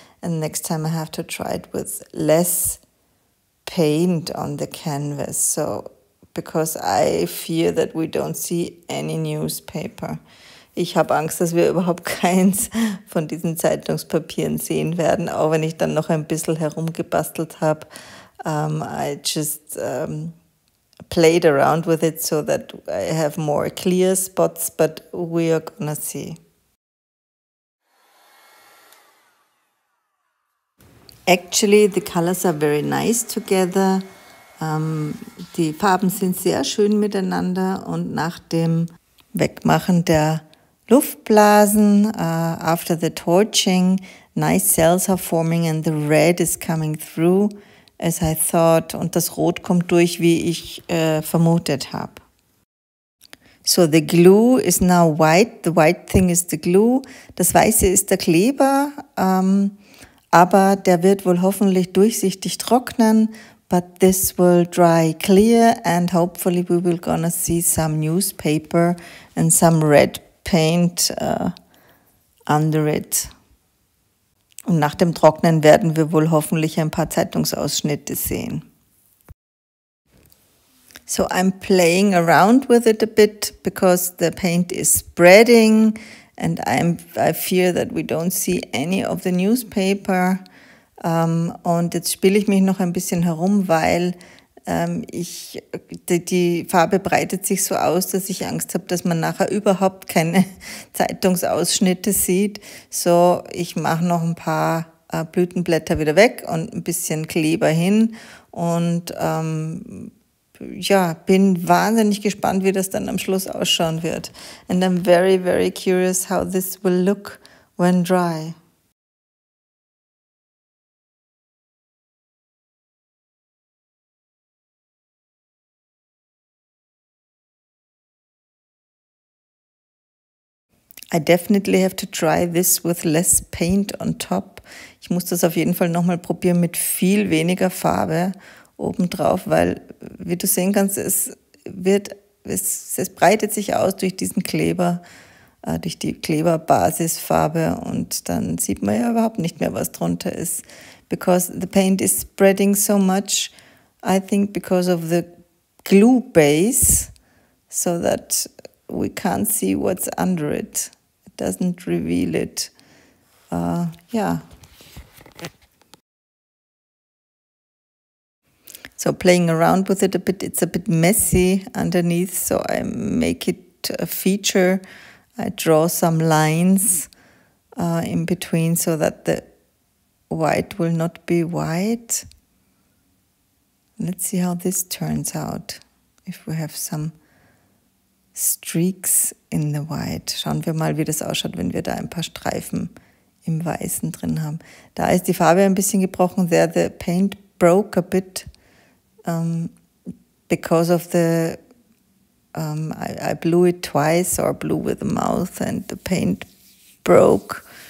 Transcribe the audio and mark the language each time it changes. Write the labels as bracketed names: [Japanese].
[English] And next time I have to try it with less paint on the canvas, so because I fear that we don't see any newspaper. [German] Ich habe Angst, dass wir überhaupt keins von diesen Zeitungspapieren sehen werden, auch wenn ich dann noch ein bisschen herumgebastelt habe. [English] I just played around with it so that I have more clear spots, but we are gonna see. Actually, the colors are very nice together. [German] Die Farben sind sehr schön miteinander und nach dem Wegmachen der Luftblasen, [English] after the torching, nice cells are forming and the red is coming through as I thought. [German] Und das Rot kommt durch, wie ich vermutet habe. [English] So the glue is now white. The white thing is the glue. [German] Das Weiße ist der Kleber. Aber der wird wohl hoffentlich durchsichtig trocknen. [English] But this will dry clear and hopefully we will gonna see some newspaper and some red paint under it. [German] Und nach dem Trocknen werden wir wohl hoffentlich ein paar Zeitungsausschnitte sehen. [English] So I'm playing around with it a bit because the paint is spreading and I fear that we don't see any of the newspaper. [German] Und jetzt spiele ich mich noch ein bisschen herum, weil die Farbe breitet sich so aus, dass ich Angst habe, dass man nachher überhaupt keine Zeitungsausschnitte sieht. So, ich mache noch ein paar Blütenblätter wieder weg und ein bisschen Kleber hin. Und bin wahnsinnig gespannt, wie das dann am Schluss ausschauen wird. [English] And I'm very, very curious how this will look when dry. I definitely have to try this with less paint on top. [German] Ich muss das auf jeden Fall nochmal probieren mit viel weniger Farbe obendrauf, weil, wie du sehen kannst, es breitet sich aus durch diesen Kleber, durch die Kleberbasisfarbe und dann sieht man ja überhaupt nicht mehr, was drunter ist. [English] Because the paint is spreading so much, I think because of the glue base, so that we can't see what's under it. Doesn't reveal it. So playing around with it a bit, it's a bit messy underneath, so I make it a feature. I draw some lines in between so that the white will not be white. Let's see how this turns out, if we have some Streaks in the white. [German] Schauen wir mal, wie das ausschaut, wenn wir da ein paar Streifen im Weißen drin haben. Da ist die Farbe ein bisschen gebrochen. [English] There the paint broke a bit because of the I blew it twice or blew with the mouth and the paint broke.